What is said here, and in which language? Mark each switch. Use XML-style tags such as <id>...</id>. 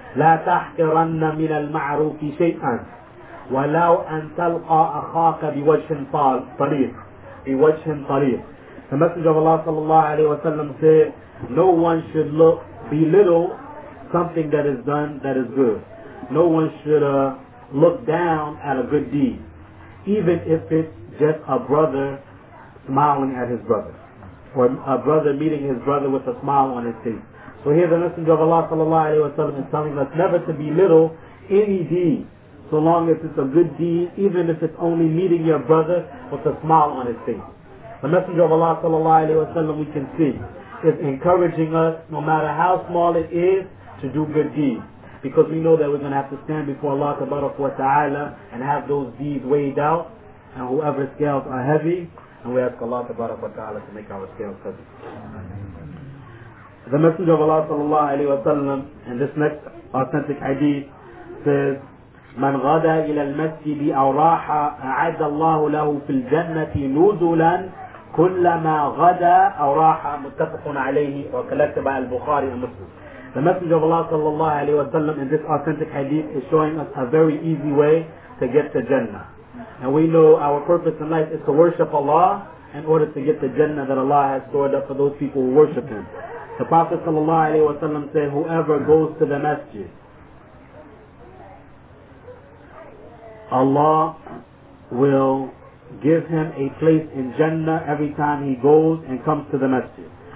<ar>لا تحقرن من المعروف شيئا ولو أن تلقى أخاك بوجه طريق بوجه طريق.</ar> <en>The Messenger of Allah sallallahu alayhi wa sallam said, no one should belittle something that is done that is good. No one should look down at a good deed, even if it's just a brother smiling at his brother, or a brother meeting his brother with a smile on his face. So here the Messenger of Allah sallallahu alayhi wa sallam is telling us never to belittle any deed, so long as it's a good deed, even if it's only meeting your brother with a smile on his face. The Messenger of Allah sallallahu alayhi wa sallam, we can see, is encouraging us, no matter how small it is, to do good deeds. Because we know that we're going to have to stand before Allah tabaraka wa ta'ala and have those deeds weighed out, and whoever scales are heavy. And we ask Allah tabaraka wa ta'ala to make our scales heavy. The Messenger of Allah sallallahu alayhi wa sallam in this next authentic hadith says,</en> <ar>مَنْ غَدَى إِلَى الْمَسْجِدِ أَوْ رَاحَ أَعَدَ اللَّهُ لَهُ فِي الْجَنَّةِ نُزُلًا كُلَّمَا غَدَى أَوْ رَاحَ مُتَّفَقٌ عَلَيْهِ وَكَلَّكْتَ بَعَى الْبُخَارِ الْمُسْلِمِ.</ar> <en>The Messenger of Allah sallallahu alayhi wa sallam in this authentic hadith is showing us a very easy way to get to Jannah. And we know our purpose in life is to worship Allah in order to get the Jannah that Allah has stored up for those people who worship Him. The Prophet sallallahu alayhi wa sallam said, whoever goes to the masjid, Allah will give him a place in Jannah every time he goes and comes to the masjid.</en>